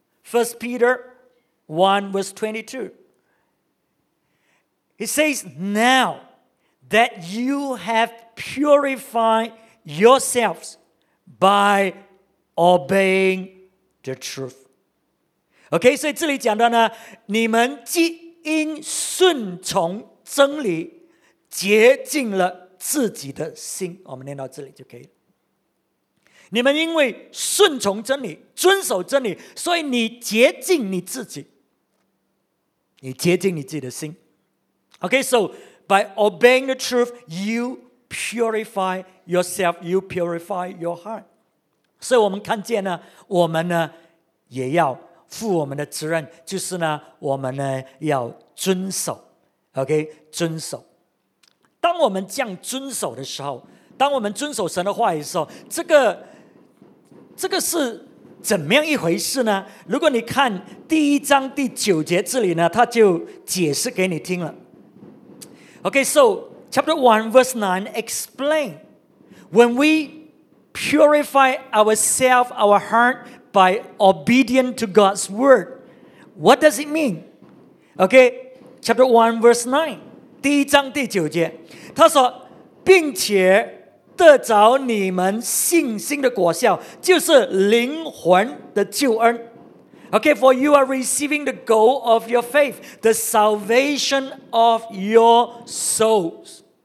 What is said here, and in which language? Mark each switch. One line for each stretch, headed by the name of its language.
English: 1 Peter 1 verse 22. It says, now that you have purified yourselves by obeying the truth.
Chinese: Okay, 所以这里讲到呢, 你们既 因顺从真理洁净了自己的心，我们念到这里就可以了。你们因为顺从真理，遵守真理，所以你洁净你自己，你洁净你自己的心。
English: Okay, so by obeying the truth, you purify yourself, you purify your heart.
Chinese: 所以我们看见呢，我们呢也要 负我们的责任，就是呢，我们呢要遵守 ，OK， 遵守。当我们这样遵守的时候，当我们遵守神的话语的时候，这个是怎么样一回事呢？如果你看第一章第九节这里呢，他就解释给你听了。OK，
English: so chapter 1 verse 9 explain when we purify ourselves, our heart, by obedient to God's word. What does it mean? Okay, chapter 1, verse 9.
Chinese: 第一章第九节, 他说, 并且得着你们信心的果效, 就是灵魂的救恩。
English: Okay, for you are receiving the goal of your faith, the salvation of your souls.